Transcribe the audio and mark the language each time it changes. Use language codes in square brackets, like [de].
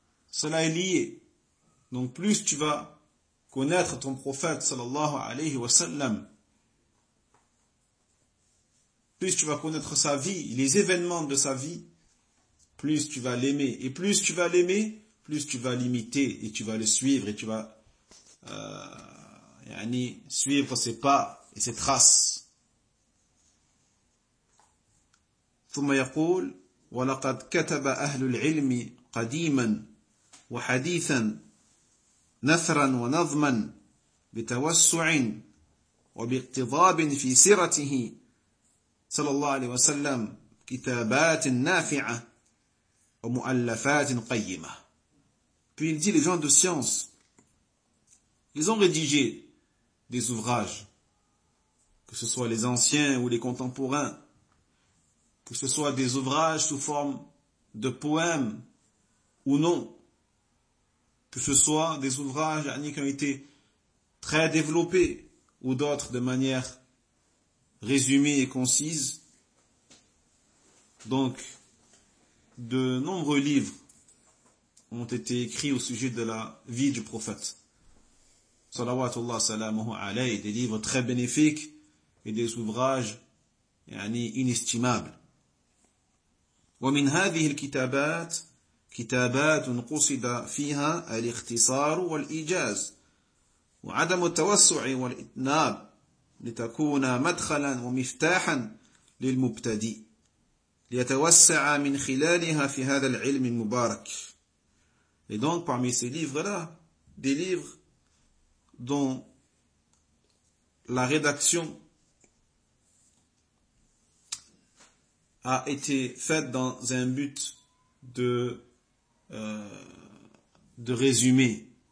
[fr] Cela est lié. Donc plus tu vas connaître ton prophète sallallahu alayhi wa sallam, plus tu vas connaître sa vie, les événements de sa vie, plus tu vas l'aimer. Et plus tu vas l'aimer, plus tu vas l'imiter et tu vas le suivre et tu vas suivre ses pas et ses traces. [ar] ثم يقول ولقد كتب أهل العلم قديما وحديثا نثرا ونظما بتوسع وباقتضاب في سيرته صلى الله عليه وسلم كتابات نافعة ومؤلفات قيمة. [fr] Puis il dit, les gens de science, ils ont rédigé des ouvrages, que ce soit les anciens ou les contemporains, que ce soit des ouvrages sous forme de poèmes ou non, que ce soit des ouvrages qui ont été très développés ou d'autres de manière résumée et concise. Donc, de nombreux livres ont été écrits au sujet de la vie du prophète. Salawatullah salamuhu alayhi, des livres très bénéfiques et des ouvrages inestimables. [ar] ومن هذه الكتابات كتابات قصد فيها الاختصار والإيجاز وعدم التوسع والإتناب لتكون مدخلا ومفتاحا للمبتدئ ليتوسع من خلالها في هذا العلم المبارك. [fr] Et donc parmi ces livres-là, des livres dont la rédaction a été faite dans un but de résumer,